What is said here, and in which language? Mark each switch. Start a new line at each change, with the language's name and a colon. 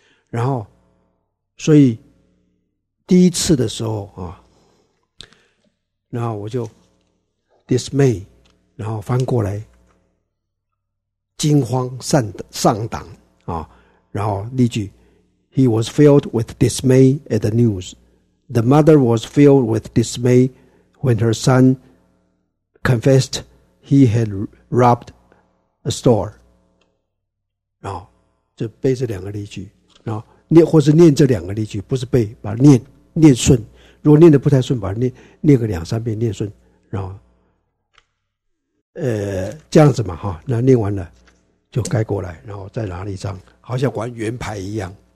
Chinese: 然后，所以第一次的时候啊，然后我就 dismay， 然后翻过来惊慌上当啊，然后例句。
English: He was filled with dismay at the news. The mother was filled with dismay when her son confessed he had robbed a store.
Chinese: 然后就背这两个例句，然后念或是念这两个例句，不是背，把它念顺。如果念得不太顺，把它念个两三遍，念顺。然后，这样子嘛，哈，那念完了就盖过来，然后再拿一张，好像玩圆牌一样。